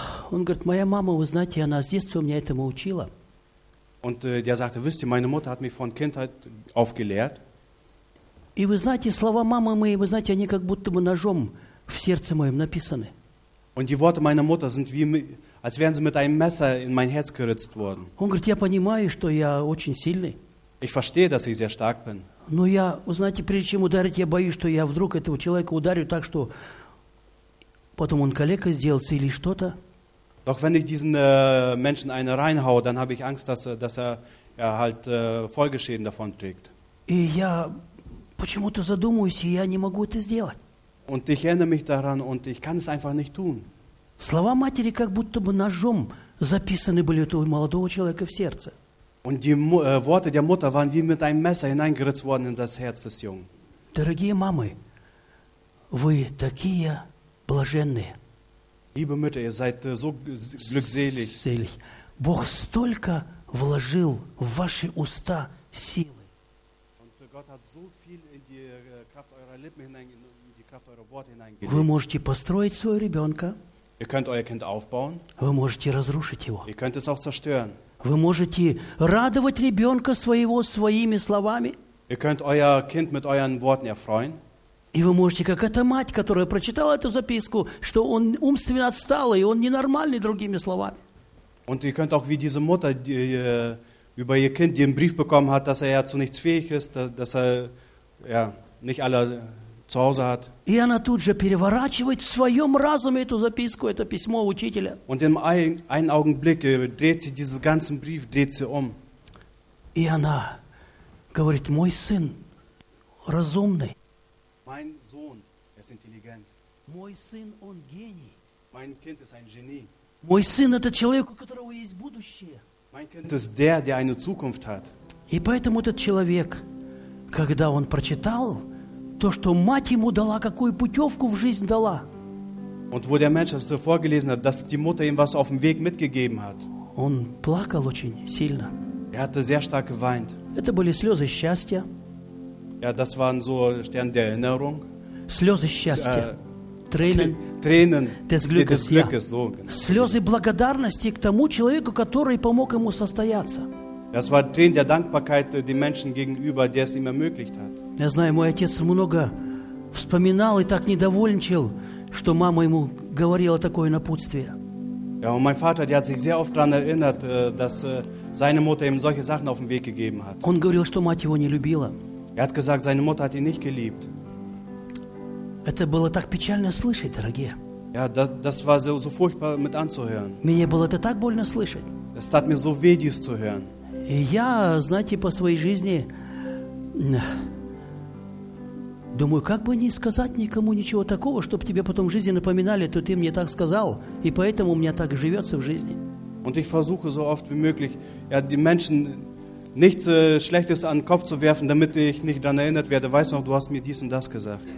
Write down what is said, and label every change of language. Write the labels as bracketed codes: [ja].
[ru] Он говорит, моя мама, вы знаете, она с детства меня этому учила. [de] Und der sagte, wisst ihr, meine Mutter hat mich von Kindheit auf gelehrt. [ru] И вы знаете, слова мамы моей, вы знаете, они как будто бы ножом в сердце моем написаны. [de] Und die Worte meiner Mutter sind wie, als wären sie mit einem Messer in mein Herz geritzt worden. [ru] Он говорит, я понимаю, что я очень сильный. [de] Ich verstehe, dass ich sehr stark bin. [ru] Но я, вы знаете, прежде чем ударить, я боюсь, что я вдруг этого человека ударю так, что потом он калекой сделается или что-то. [de] Doch wenn ich diesen Menschen eine reinhaue, dann habe ich Angst, dass er ja, halt Folgeschäden davon trägt. [ru] И я почему-то задумываюсь, и я не могу это сделать. [de] Und ich erinnere mich daran und ich kann es einfach nicht tun. [ru] Слова матери как будто бы ножом записаны были у молодого человека в сердце. [de] Und die Worte der Mutter waren wie mit einem Messer hineingeritzt worden in das Herz des Jungen. [ru] Дорогие мамы, вы такие блаженные. [de] Liebe Mütter, ihr seid so glückselig. Selig. [ru] Бог столько вложил в ваши уста силы. [de] Und Gott hat so viel in die Kraft eurer Lippen hineingelegt. [ru] Вы можете построить своего ребенка. [de] Ihr könnt euer Kind aufbauen. [ru] Вы можете разрушить его. [de] Ihr könnt es auch zerstören. [ru] Вы можете радовать ребенка своего своими словами. [de] Ihr könnt euer Kind mit euren Worten erfreuen. [ru] И вы можете, как эта мать, которая прочитала эту записку, что он умственно отсталый, он ненормальный, другими словами. [de] Und ihr könnt auch wie diese Mutter über ihr Kind, die einen Brief bekommen hat, dass er ja zu nichts fähig ist, dass er ja nicht alle zu Hause hat. [ru] И она тут же переворачивает в своем разуме эту записку, это письмо учителя. [de] Und im einen Augenblick dreht sie diesen ganzen Brief, dreht sie um. [ru] И она говорит, мой сын разумный. [de] Mein Sohn ist intelligent. [ru] Мой сын, он гений. [de] Mein Kind ist ein Genie. [ru] Мой сын, это человек, у которого есть будущее. [de] Mein Kind ist der eine Zukunft hat. [ru] И поэтому этот человек, когда он прочитал то, что мать ему дала, какую путевку в жизнь дала. [de] Und wo der Mensch, das du vorgelesen hast, dass die Mutter ihm was auf dem Weg mitgegeben hat. [ru] Он плакал очень сильно. [de] Er hatte sehr stark geweint. [ru] Это были слезы счастья. [de] Ja, das waren so Stern der Erinnerung. [ru] Слезы счастья. Тränen. [de] Tränen des Glückes. Des Glückes, ja. So. [ru] Слезы благодарности к тому человеку, который помог ему состояться. [de] Das war Tränen der Dankbarkeit dem Menschen gegenüber, der es ihm ermöglicht hat. [ru] Я знаю, мой отец много вспоминал и так недовольничал, что мама ему говорила такое напутствие. [de] Ja, und mein Vater, der hat sich sehr oft daran erinnert, dass seine Mutter ihm solche Sachen auf den Weg gegeben hat. [ru] Он говорил, что мать его не любила. [de] Er hat gesagt, seine Mutter hat ihn nicht geliebt. [ru] Это было так печально слышать, дорогие. [de] Ja, das war so furchtbar mit anzuhören. [ru] Мне было это так больно слышать. [de] Es tat mir so weh, dies zu hören. [ru] И я, знаете, по своей жизни думаю, как бы не сказать никому ничего такого, чтобы тебе потом в жизни напоминали, то ты мне так сказал, и поэтому у меня так живется в жизни. [de] Und ich versuche so oft wie möglich, ja, die Menschen nichts Schlechtes an den Kopf zu werfen, damit ich nicht daran erinnert werde. Weißt du noch, du hast mir dies und das gesagt.